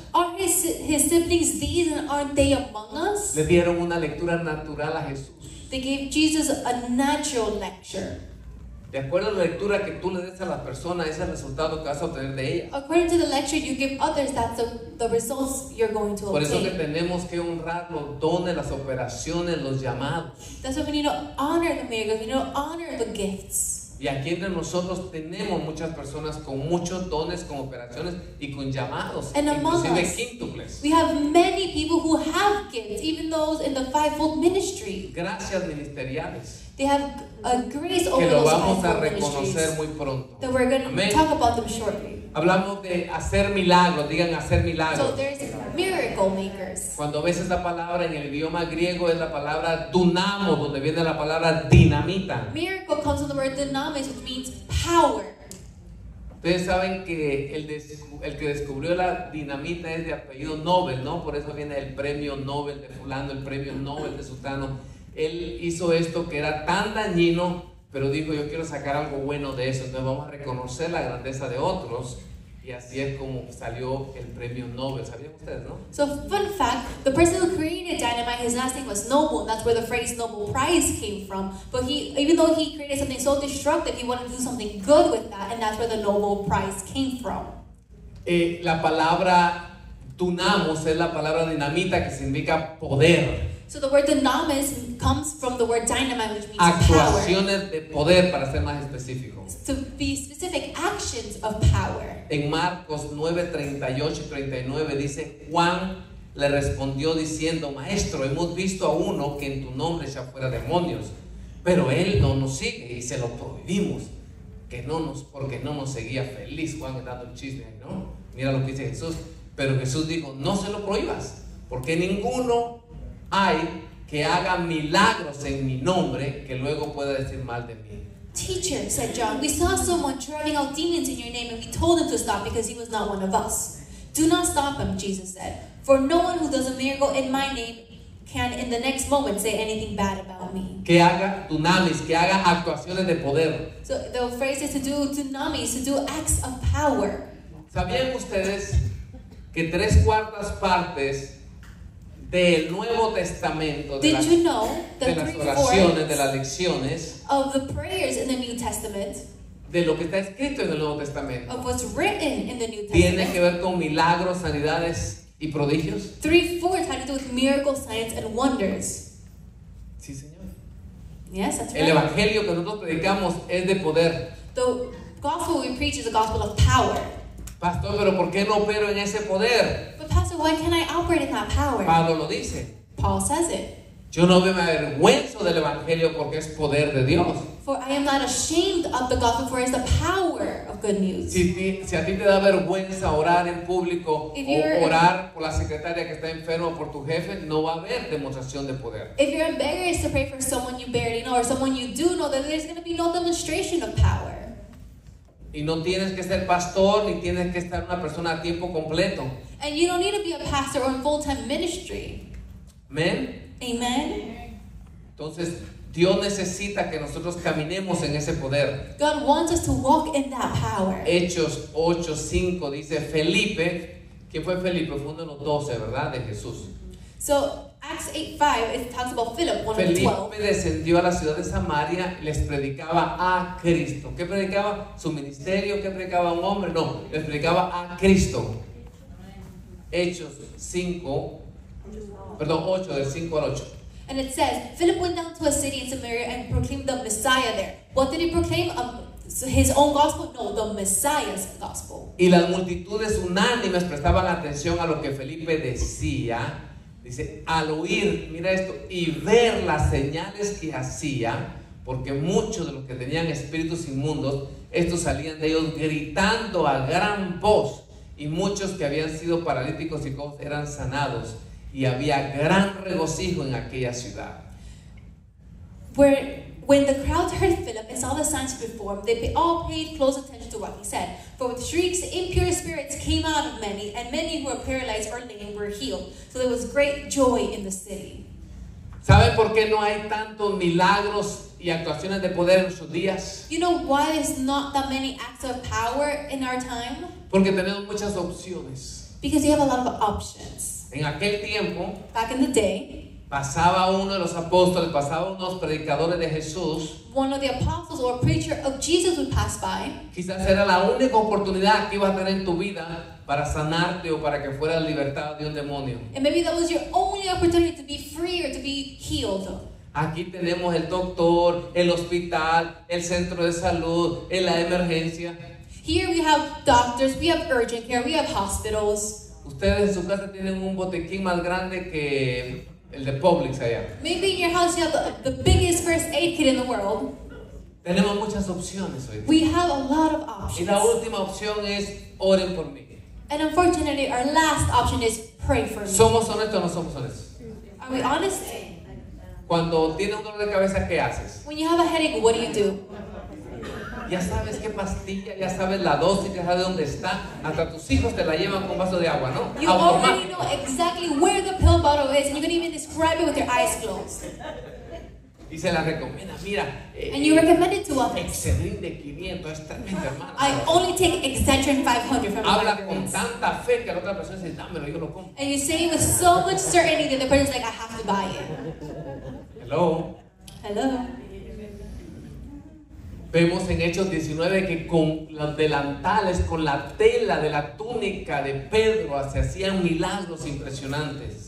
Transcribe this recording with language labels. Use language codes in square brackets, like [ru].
[en] Are his siblings these and aren't they among us? [es] Le dieron una lectura natural a Jesús. [en] They gave Jesus a natural lecture. [es] De acuerdo a la lectura que tú le des a la persona, ese es el resultado que vas a obtener de ella. [en] According to the lecture you give others, that's the results you're going to obtain. [es] Por eso que tenemos que honrar los dones, las operaciones, los llamados. [en] That's why we need to honor the miracles, we need to honor the gifts. [es] Y aquí entre nosotros tenemos muchas personas con muchos dones, con operaciones y con llamados, [en] and inclusive us, [es] quíntuples. [en] We have many people who have gifts, even those in the fivefold ministry. [es] Gracias ministeriales. [en] They have a grace [es] que [en] over [es] lo vamos a reconocer muy pronto. [en] That we're going to talk about them shortly. [es] Hablamos de hacer milagros, digan hacer milagros. [en] So there's miracle makers. [es] Cuando ves esa palabra en el idioma griego es la palabra dunamo, donde viene la palabra dinamita. [en] Miracle comes from the word dynamis, which means power. [es] Ustedes saben que el que descubrió la dinamita es de apellido Nobel, ¿no? Por eso viene el premio Nobel de fulano, el premio Nobel de sutano. Él hizo esto que era tan dañino, pero dijo, yo quiero sacar algo bueno de eso. Entonces vamos a reconocer la grandeza de otros. Y así es como salió el premio Nobel. ¿Sabían ustedes, no? [en] So, fun fact, the person who created dynamite, his last name was Nobel. That's where the phrase Nobel Prize came from. But he, even though he created something so destructive, he wanted to do something good with that. And that's where the Nobel Prize came from. [es] La palabra dunamos es la palabra dinamita que significa poder. [en] So the word dynamis comes from the word dynamite, which means [es] actuaciones [en] power. [es] De poder, para ser más específico. [en] To be specific, actions of power. [es] En Marcos 9:38-39 dice, Juan le respondió diciendo, Maestro, hemos visto a uno que en tu nombre echa fuera demonios, pero él no nos sigue y se lo prohibimos, que no nos, porque no nos seguía feliz. Juan está dando un chisme, ¿no? Mira lo que dice Jesús. Pero Jesús dijo, no se lo prohíbas, porque ninguno hay que haga milagros en mi nombre que luego pueda decir mal de mí. [en] Teacher, said John, we saw someone driving out demons in your name and we told him to stop because he was not one of us. Do not stop him, Jesus said, for no one who does a miracle in my name can in the next moment say anything bad about me. [es] Que haga dunamis, que haga actuaciones de poder. [en] So the phrase is to do dunamis, to do acts of power. [es] ¿Sabían ustedes que tres cuartas partes del Nuevo Testamento, de, [en] you know, [es] de las oraciones, de las lecciones, [en] of the prayers in the New Testament, [es] de lo que está escrito en el Nuevo Testamento, [en] of what's written in the New Testament, [es] tiene que ver con milagros, sanidades y prodigios? [en] Three-fourths had to do with miracles, signs, and wonders. [es] Sí, señor. [en] Yes, that's right. [es] El evangelio que nosotros predicamos es de poder. [en] The gospel we preach is a gospel of power. [es] Pastor, pero ¿por qué no opero en ese poder? [en] But pastor, why can't I operate in that power? [es] Pablo lo dice. [en] Paul says it. [es] Yo no me avergüenzo del evangelio porque es poder de Dios. [en] For I am not ashamed of the gospel, for it's the power of good news. [es] Si a ti te da vergüenza orar en público o orar por la secretaria que está enferma o por tu jefe, no va a haber demostración de poder. [en] If you're embarrassed to pray for someone you barely know or someone you do know, then there's going to be no demonstration of power. [es] Y no tienes que ser pastor ni tienes que estar una persona a tiempo completo. [en] And you don't need to be a pastor or in full-time ministry. Amen. Amen. [es] Entonces, Dios necesita que nosotros caminemos en ese poder. [en] God wants us to walk in that power. [es] Hechos 8:5 dice Felipe, ¿quién fue Felipe? Fue uno de los 12, ¿verdad? De Jesús. [en] So, Acts 8:5 it talks about Philip, one [es] Felipe [en] of the 12. [es] Felipe descendió a la ciudad de Samaria, les predicaba a Cristo. ¿Qué predicaba? Su ministerio, ¿qué predicaba un hombre? No, les predicaba a Cristo. Hechos 5, perdón, 8, del 5 al 8. [en] And it says, Philip went down to a city in Samaria and proclaimed the Messiah there. What did he proclaim? His own gospel? No, the Messiah's gospel. [es] Y las multitudes unánimes prestaban atención a lo que Felipe decía. Dice, al oír, mira esto, y ver las señales que hacía, porque muchos de los que tenían espíritus inmundos, estos salían de ellos gritando a gran voz. Y muchos que habían sido paralíticos y cojos eran sanados. Y había gran regocijo en aquella ciudad. [en] When the crowd heard Philip and saw the signs he performed, they all paid close attention to what he said. For with shrieks, impure spirits came out of many, and many who were paralyzed or lame were healed. So there was great joy in the city. [es] ¿Sabe por qué no hay tantos milagros y actuaciones de poder en sus días? [en] You know why there's not that many acts of power in our time? [es] Porque tenemos muchas opciones. [en] Because you have a lot of options. [es] En aquel tiempo, [en] back in the day, [es] pasaba uno de los apóstoles, pasaba uno de los predicadores de Jesús. [en] One of the apostles or preacher of Jesus would pass by. [es] Quizás era la única oportunidad que ibas a tener en tu vida para sanarte o para que fueras libertado de un demonio. [en] And maybe that was your only opportunity to be free or to be healed. [es] Aquí tenemos el doctor, el hospital, el centro de salud, en la emergencia. [en] Here we have doctors, we have urgent care, we have hospitals. [es] Ustedes en su casa tienen un botiquín más grande que el de Publix allá. [en] Maybe in your house you have the biggest first aid kit in the world. [es] Tenemos muchas opciones hoy. [en] We have a lot of options. [es] Y la última opción es oren por mí. [en] And unfortunately our last option is pray for me. [es] ¿Somos honestos o no somos honestos? [en] Are we honest? [es] Cuando tienes un dolor de cabeza, ¿qué haces? [en] When you have a headache, what do you do? [es] Ya sabes qué pastilla, ya sabes la dosis, ya sabes dónde está. Hasta tus hijos te la llevan con vaso de agua, ¿no? [en] You already know exactly where the pill bottle is, and you can even describe it with your eyes closed. [es] Y se la recomienda, mira. [en] And you recommend it to others. [es] Excedrin de 500, es tremendo, hermano. [en] I only take Excedrin 500 from my habla parents. [es] Con tanta fe que la otra persona dice, dámelo, yo lo compro. [en] And you say it with so much certainty that the person's like, I have to buy it. Hello. Hello. [es] Vemos en Hechos 19 que con los delantales, con la tela de la túnica de Pedro, se hacían milagros impresionantes.